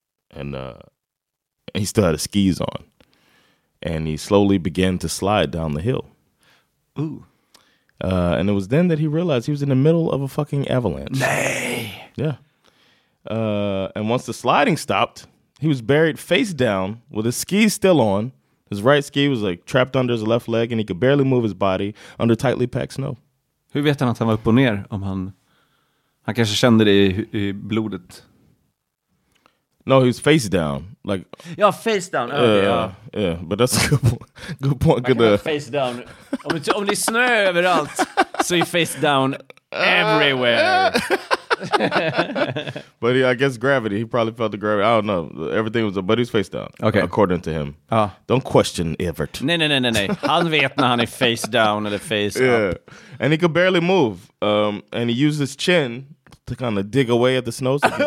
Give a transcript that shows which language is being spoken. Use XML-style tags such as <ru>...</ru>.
<en>And he still had his skis on. And he slowly began to slide down the hill. Ooh. And it was then that he realized he was in the middle of a fucking avalanche. Nay. Yeah. And once the sliding stopped, he was buried face down with his skis still on. His right ski was like trapped under his left leg and he could barely move his body under tightly packed snow.</en> <sv>Hur vet han att han var upp och ner om han... Han kanske kände det i blodet.</sv> <en>No, he was face down. Like, ja, face down. Okay, yeah, but that's a good point. Good point.</en> <sv>Man kan vara</sv> <en>face down.</en> <sv>Om det är snö överallt så är</sv> <en>face down everywhere. But yeah, I guess gravity. He probably felt the gravity. I don't know. Everything was... But he was face down. Okay. According to him. Don't question Evert.</en> <sv>Nej. Han vet när han är</sv> <en>face down</en> <sv>eller</sv> <en>face up. And he could barely move. And he used his chin to kind of dig away at the snow.</en>